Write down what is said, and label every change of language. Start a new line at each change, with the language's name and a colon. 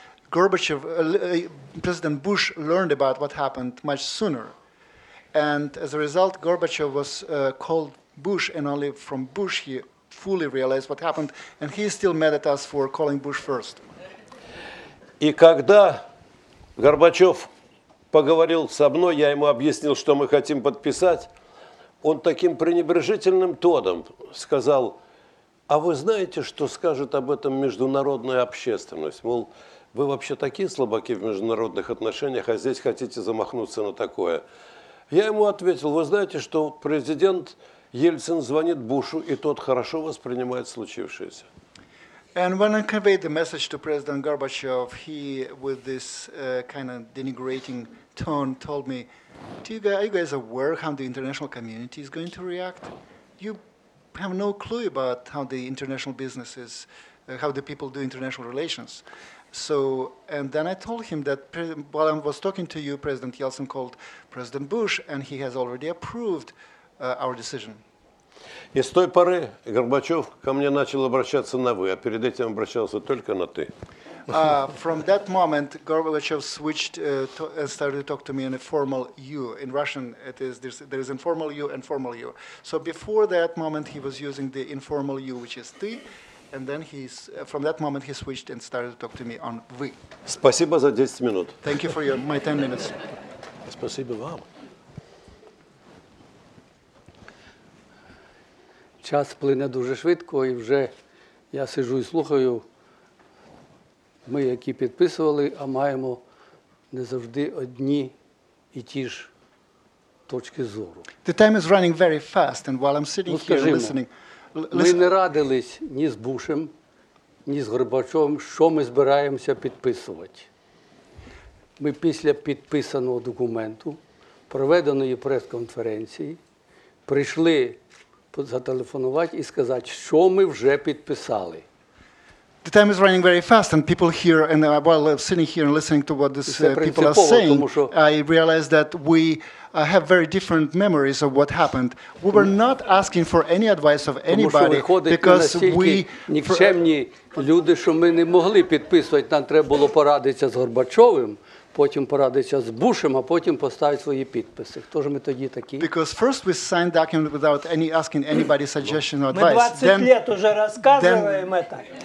English: President Bush learned about what happened much sooner. And as a result, Gorbachev was called Bush, and only from Bush he fully realized what happened. And he is still mad at us for calling Bush first.
Russian: И когда Горбачев поговорил со мной, я ему объяснил, что мы хотим подписать, он таким пренебрежительным тоном сказал, а вы знаете, что скажет об этом международная общественность? Мол, вы вообще такие слабаки в международных отношениях, а здесь хотите замахнуться на такое. Я ему ответил, вы знаете, что президент Ельцин звонит Бушу, и тот хорошо воспринимает случившееся.
English: And when I conveyed the message to President Gorbachev, he, with this kind of denigrating tone, told me, are you guys aware how the international community is going to react? You have no clue about how the international business is, how the people do international relations. So, and then I told him that while I was talking to you, President Yeltsin called President Bush, and he has already approved our decision.
Russian: И с той поры Горбачев ко мне начал обращаться на «вы», а перед этим обращался только на «ты».
English: From that moment, Gorbachev switched and started to talk to me in a formal «you». In Russian, there is informal «you» and formal «you». So before that moment, he was using the informal «you», which is «ты». And then from that moment he switched and started to talk to me on «вы».
Russian: Спасибо за 10 минут.
English: Thank you for my 10 minutes.
Russian: Спасибо вам.
Ukrainian: Час плине дуже швидко, і вже я сижу і слухаю. Ми, які підписували, а маємо не завжди одні і ті ж точки зору.
English: The time is running very fast, and while I'm sitting here listening...
Ukrainian: Ми не радились ні з Бушем, ні з Горбачовим, що ми збираємося підписувати. Ми після підписаного документу, проведеної прес-конференції, прийшли зателефонувати і сказати, що ми вже підписали.
English: The time is running very fast, and people here, and while sitting here and listening to what these people are saying, I realize that we have very different memories of what happened. We were not asking for any advice of anybody, because we...
Ukrainian: Нікчемні люди, що ми не могли підписувати, нам треба було порадитися з Горбачовим, потім порадитися з Бушем, а потім поставити свої підписи. Хто ж ми тоді такі?
English: Because first we signed document without any asking anybody suggestion or advice.
Ukrainian: Ми 20 років вже розказуємо так.